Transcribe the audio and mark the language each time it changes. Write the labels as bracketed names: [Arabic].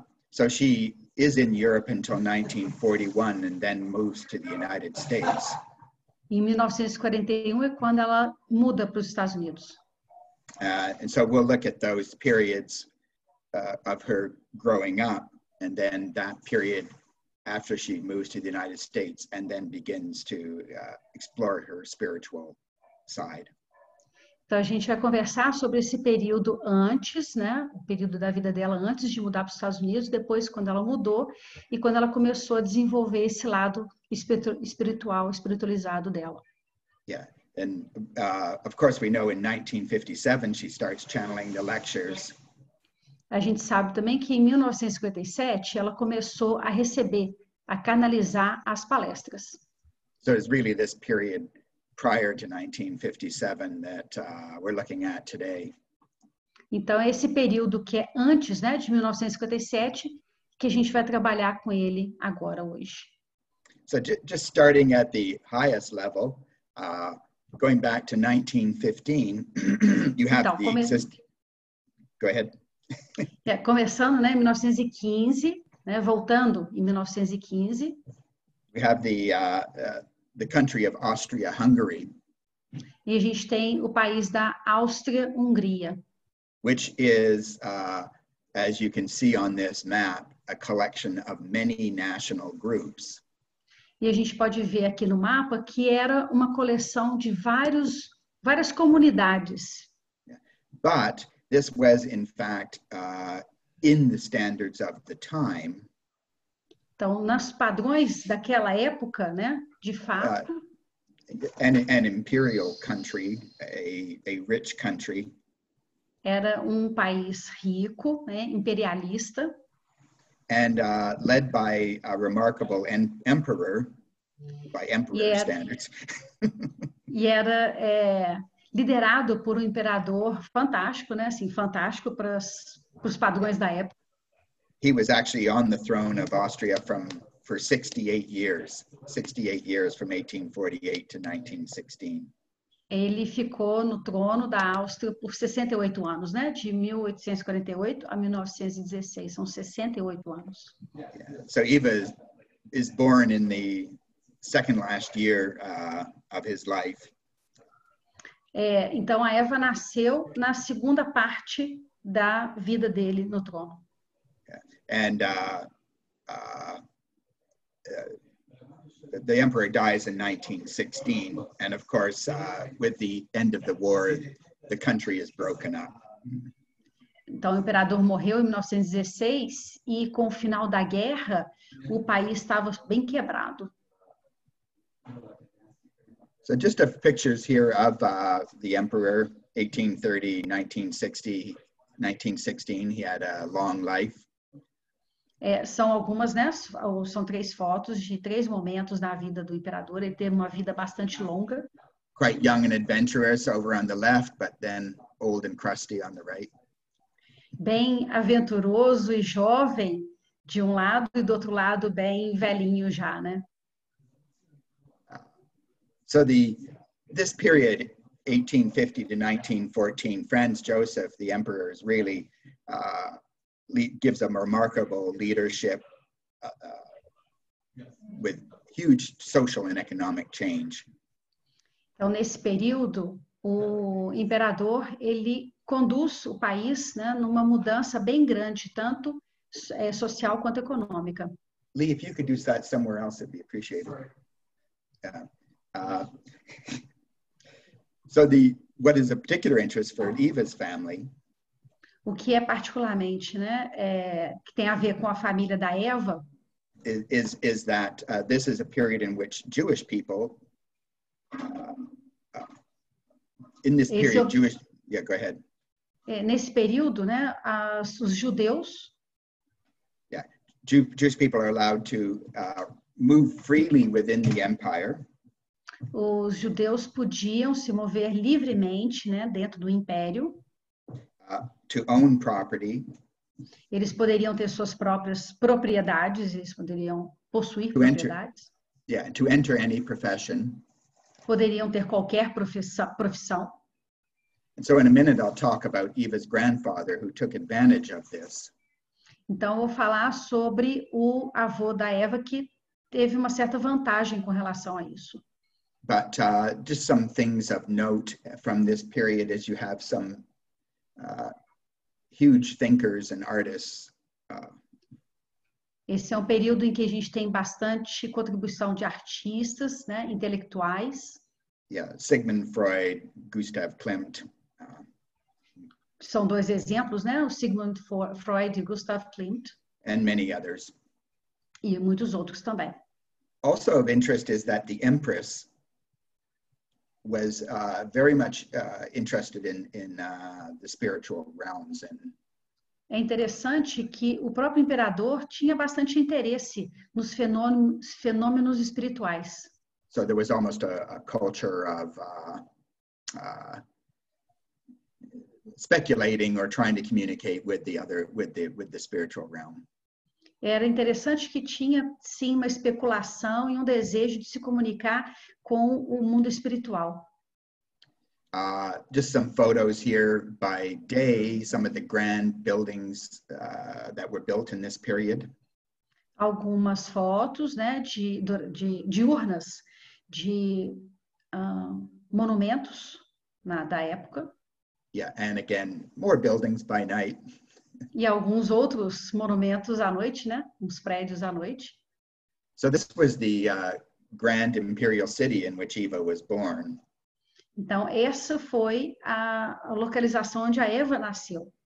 [English] So she is in Europe until 1941 and then moves to the United States. [Portuguese] Em 1941 é quando ela muda para os Estados Unidos. [English] So we'll look at those periods of her growing up and then that period after she moves to the United States and then begins to explore her spiritual side. [Portuguese] Então a gente vai conversar sobre esse período antes, né? O período da vida dela antes de mudar para os Estados Unidos, depois quando ela mudou e quando ela começou a desenvolver esse lado espiritual, espiritualizado dela. [English] Yeah. And of course we know in 1957 she starts channeling the lectures. [Portuguese] A gente sabe também que em 1957 ela começou a receber, a canalizar as palestras. [English] So it's really this period prior to 1957 that we're looking at today. [Portuguese] Então é esse período que é antes, né, de 1957 que a gente vai trabalhar com ele agora hoje. [English] So just starting at the highest level, going back to 1915, you have [Portuguese] então, [English] Go ahead. [Portuguese] É, começando, né, em 1915, né, voltando em 1915. [English] We have the country of Austria-Hungary. [Portuguese] E a gente tem o país da Áustria-Hungria. [English] Which is, as you can see on this map, a collection of many national groups. [Portuguese] E a gente pode ver aqui no mapa que era uma coleção de várias comunidades. [English] But this was, in fact, in the standards of the time. [Portuguese] Então, nos padrões daquela época, né, de fato. [English] An imperial country, a rich country. [Portuguese] Era um país rico, né, imperialista. And led by a remarkable emperor, by emperor standards. E era... liderado por um imperador fantástico, né? Assim, fantástico para os padrões da época. [English] He was actually on the throne of Austria for 68 years. 68 years from 1848 to 1916. [Portuguese] Ele ficou no trono da Áustria por 68 anos, né? De 1848 a 1916. São 68 anos. [English] Yeah. So Eva is born in the second last year of his life. [Portuguese] Então, a Eva nasceu na segunda parte da vida dele no trono. [English] Yeah. And the emperor dies in 1916. And, of course, with the end of the war, the country is broken up. [Portuguese] Então, o imperador morreu em 1916 e, com o final da guerra, o país estava bem quebrado. [English] So just a pictures here of the emperor, 1830, 1916, he had a long life. [Portuguese] São algumas, né, são três fotos de três momentos na vida do imperador, ele teve uma vida bastante longa. [English] Quite young and adventurous over on the left, but then old and crusty on the right. [Portuguese] Bem aventuroso e jovem de um lado e do outro lado bem velhinho já, né? [English] So this period, 1850 to 1914, Franz Joseph, the emperor, is really gives a remarkable leadership with huge social and economic change. [Portuguese] Então, nesse período, o imperador, ele conduz o país, né, numa mudança bem grande, tanto social quanto econômica. [English] Lee, if you could do that somewhere else, it'd be appreciated. So the what is a particular interest for Eva's family? [Portuguese] O que é particularmente, né, que tem a ver com a família da Eva? [English] Is that this is a period in which Jewish people in this period Jewish yeah go ahead. [Portuguese] Nesse período, né, os judeus [English] Jewish people are allowed to move freely within the empire. [Portuguese] Os judeus podiam se mover livremente, né, dentro do império. [English] To own property. [Portuguese] Eles poderiam ter suas próprias propriedades, eles poderiam possuir propriedades. [English] Yeah, to enter any profession. [Portuguese] Poderiam ter qualquer profissão. [English] And so in a minute I'll talk about Eva's grandfather who took advantage of this. [Portuguese] Então, eu vou falar sobre o avô da Eva que teve uma certa vantagem com relação a isso. [English] But just some things of note from this period is you have some huge thinkers and artists. [Portuguese] Esse é um período em que a gente tem bastante contribuição de artistas, né, intelectuais. [English] Yeah, Sigmund Freud, Gustav Klimt. [Portuguese] São dois exemplos, né? O Sigmund Freud e Gustav Klimt. [English] And many others. [Portuguese] E muitos outros também. [English] Also of interest is that the Empress was very much interested in the spiritual realms. And [Portuguese] é interessante que o próprio imperador tinha bastante interesse nos fenômenos espirituais. [English] So there was almost a culture of speculating or trying to communicate with the other, with the spiritual realm. [Portuguese] Era interessante que tinha, sim, uma especulação e um desejo de se comunicar com o mundo espiritual. [English] Just some photos here by day, some of the grand buildings that were built in this period. [Portuguese] Algumas fotos, né, de urnas, de monumentos da época. [English] Yeah, and again, more buildings by night. [Portuguese] E alguns outros monumentos à noite, né? Uns prédios à noite. [English] So this was the grand imperial city in which Eva was born. [Portuguese] Então, essa foi a localização onde a Eva nasceu.